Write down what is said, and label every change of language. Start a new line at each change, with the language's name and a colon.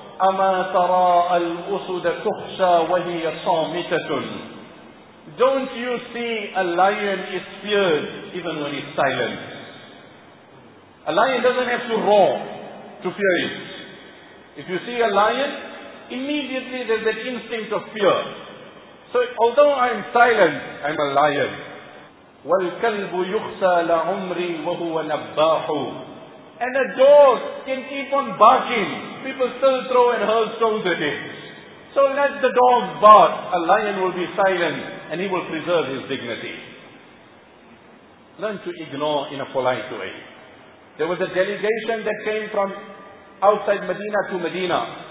Arabic: أَمَا تَرَى الْأُسُدَ تُخْشَى وَهِيَ صَامِتَةٌ
English: Don't you see a lion is feared even when it's silent? A lion doesn't have to roar to fear it. If you see a lion, immediately there's that instinct of fear. So although I'm silent, I'm a lion.
Arabic: والكلب يخسى لعمري وهو نباح.
English: And a dog can keep on barking. People still throw and hurl stones at it. So let the dog bark. A lion will be silent and he will preserve his dignity. Learn to ignore in a polite way. There was a delegation that came from outside Medina to Medina.